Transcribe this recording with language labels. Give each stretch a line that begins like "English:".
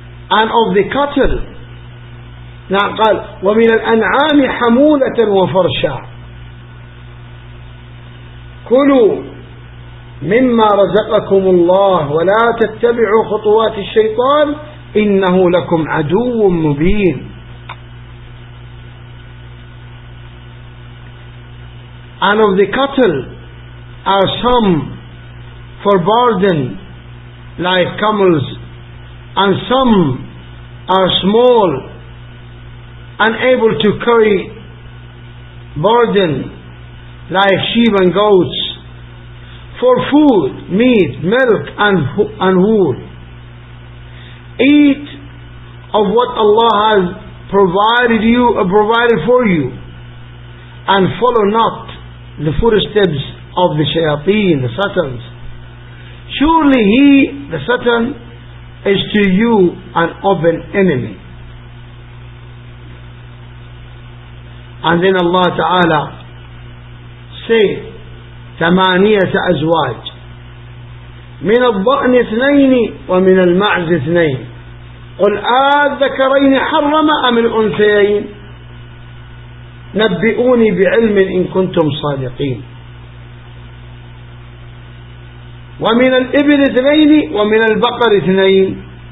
English: And of the cattle, now
Arabic: قال وَمِنَ الْأَنْعَامِ حَمُولَةً وَفَرْشًا كُلُوا مِمَّا رَزَقَكُمُ اللَّهُ وَلَا تَتَّبِعُوا خُطُوَاتِ الشَّيْطَانِ إِنَّهُ لَكُمْ عَدُوٌ مُبِينٌ.
English: And of the cattle are some for burden like camels, and some are small, unable to carry burden like sheep and goats. For food, meat, milk, and wool. Eat of what Allah has provided you or provided for you, and follow not the footsteps of the shayateen, the satans. Surely he, the satan, is to you an open enemy. And then Allah Ta'ala said,
Arabic: ثمانية أزواج من الضأن اثنين ومن المعز اثنين قل أذكرين حرم أم الأنثيين نبئوني بعلم إن كنتم صادقين ومن الإبل اثنين ومن البقر اثنين